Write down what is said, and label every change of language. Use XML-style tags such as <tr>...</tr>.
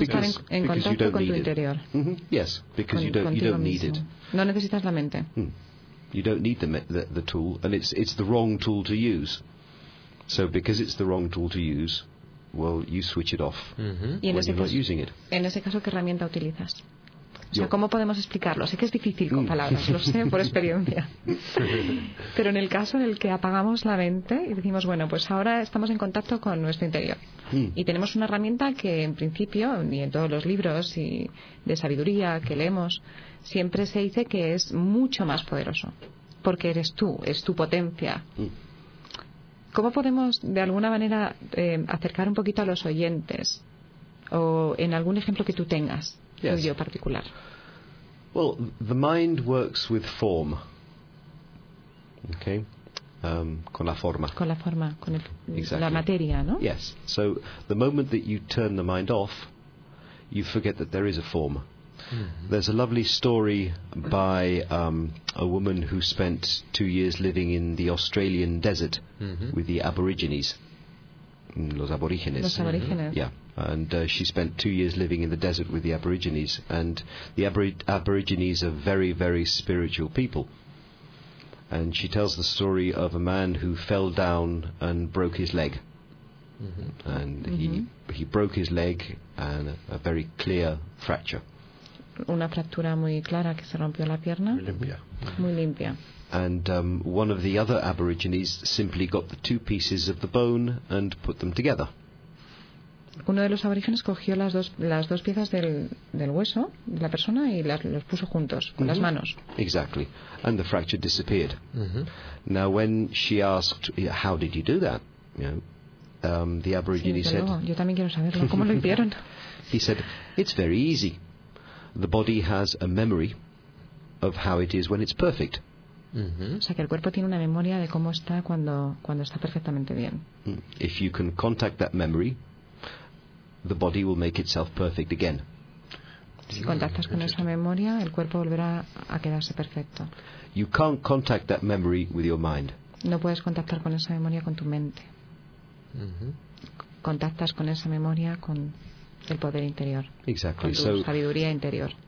<en>because,</en> <es>a estar en contacto</es> <en>you don't</en> <es>con</es> <en>need</en> <es>tu</es> <en>it.</en> <es>Interior. Mm-hmm.</es> <en>Yes, because you don't need it.</en> <es>No necesitas la mente.</es> <en>Mm. You don't need the tool, and it's the wrong tool to use. So because it's the wrong tool to use, well, you switch it off when you're not using it.</en> <es>En ese caso, ¿qué herramienta utilizas? O sea, ¿cómo podemos explicarlo? Sé que es difícil con palabras, lo sé por experiencia. Pero en el caso en el que apagamos la mente y decimos, bueno, pues ahora estamos en contacto con nuestro interior. Y tenemos una herramienta que en principio, y en todos los libros y de sabiduría que leemos, siempre se dice que es mucho más poderoso. Porque eres tú, es tu potencia. ¿Cómo podemos, de alguna manera, acercar un poquito a los oyentes? O en algún ejemplo que tú tengas.</es> <en>Yes. Well, the mind works with form. Okay?</en> <es>Con la forma. Con la forma, con el, exactly. La materia, ¿no?</es> <en>Yes. So, the moment that you turn the mind off, you forget that there is a form. There's a lovely story by a woman who spent 2 years living in the Australian desert with the Aborigines.</en> <es>Los aborígenes. Los aborígenes.</es> <en>Yeah. And she spent 2 years living in the desert with the Aborigines. And the Aborigines are very, very spiritual people. And she tells the story of a man who fell down and broke his leg. And he broke his leg and a very clear fracture.</en> <es>Una fractura muy clara que se rompió la pierna. Muy limpia. Muy limpia.</es> <en>And one of the other Aborigines simply got the two pieces of the bone and put them together.</en> <es>Uno de los aborígenes cogió las dos piezas del hueso de la persona y los puso juntos con las manos.</es> <en>Exactly, and the fracture disappeared. Now, when she asked, "How did you do that?" You know, the Aborigine said,</en> <es>"Yo también quiero saberlo. ¿Cómo lo hicieron?"</es> <en>He said, "It's very easy. The body has a memory of how it is when it's perfect."</en> <es>O sea, que el cuerpo tiene una memoria de cómo está cuando está perfectamente bien.</es> <en>If you can contact that memory, the body will make itself perfect again.</en> <es>Si contactas con esa memoria, el cuerpo volverá a quedarse perfecto.</es> <en>You can't contact that memory with your mind.</en> <es>No puedes contactar con esa memoria con tu mente. Contactas con esa memoria con el poder interior.</es> <en>Exactly.</en> <es>Con tu sabiduría interior.</es>